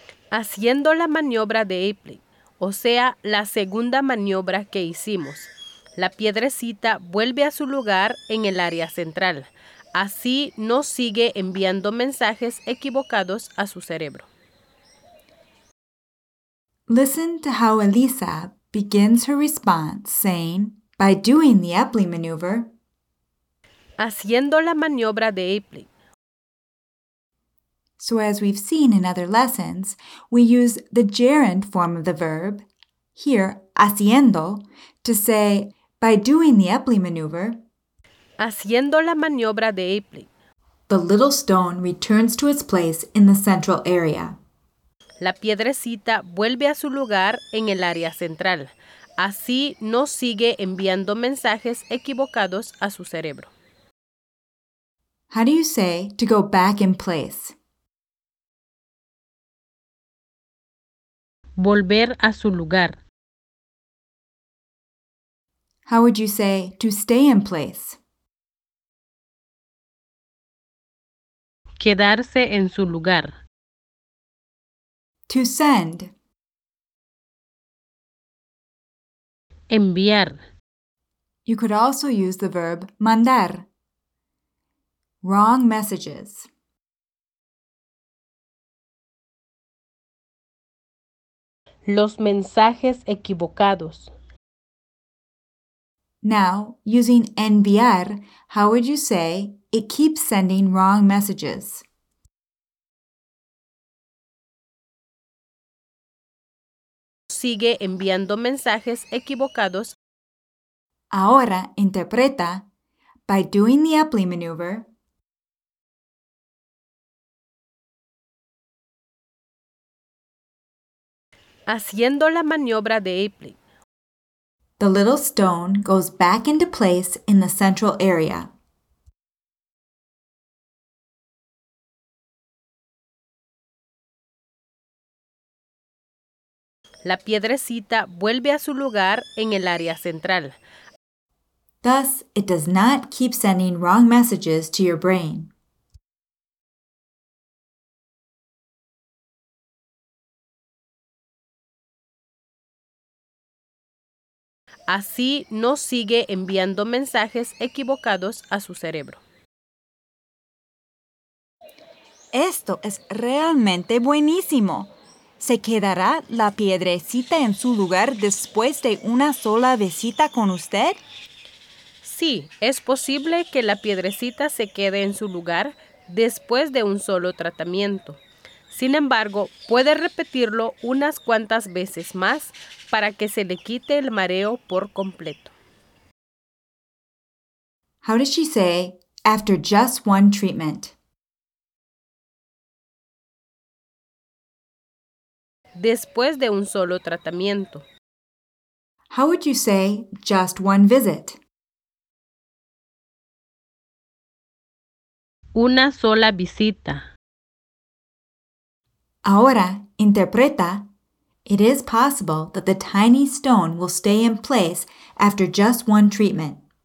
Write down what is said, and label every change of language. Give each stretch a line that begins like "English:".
Spanish: Haciendo la maniobra de Epley, o sea, la segunda maniobra que hicimos. La piedrecita vuelve a su lugar en el área central. Así no sigue enviando mensajes equivocados a su cerebro.
English: Listen to how Elisa begins her response saying, by doing the Epley maneuver.
Spanish: Haciendo la maniobra de Epley.
English: So as we've seen in other lessons, we use the gerund form of the verb, here, haciendo, to say, by doing the Epley maneuver.
Spanish: Haciendo la maniobra de Epley.
English: The little stone returns to its place in the central area.
Spanish: La piedrecita vuelve a su lugar en el área central. Así no sigue enviando mensajes equivocados a su cerebro.
English: How do you say to go back in place?
Spanish: Volver a su lugar.
English: How would you say to stay in place?
Spanish: Quedarse en su lugar.
English: To send.
Spanish: Enviar.
English: You could also use the verb mandar. Wrong messages.
Spanish: Los mensajes equivocados.
English: Now, using enviar, how would you say it keeps sending wrong messages?
Spanish: Sigue enviando mensajes equivocados. Ahora interpreta,
English: by doing the Epley maneuver.
Spanish: Haciendo la maniobra de Epley.
English: The little stone goes back into place in the central area.
Spanish: La piedrecita vuelve a su lugar en el área central.
English: Thus, it does not keep sending wrong messages to your brain.
Spanish: Así no sigue enviando mensajes equivocados a su cerebro. Esto es realmente buenísimo. ¿Se quedará la piedrecita en su lugar después de una sola visita con usted? Sí, es posible que la piedrecita se quede en su lugar después de un solo tratamiento. Sin embargo, puede repetirlo unas cuantas veces más para que se le quite el mareo por completo.
English: How does she say, after just one treatment?
Spanish: Después de un solo tratamiento.
English: How would you say, just one visit?
Spanish: Una sola visita. Ahora, interpreta.
English: It is possible that the tiny stone will stay in place after just one treatment.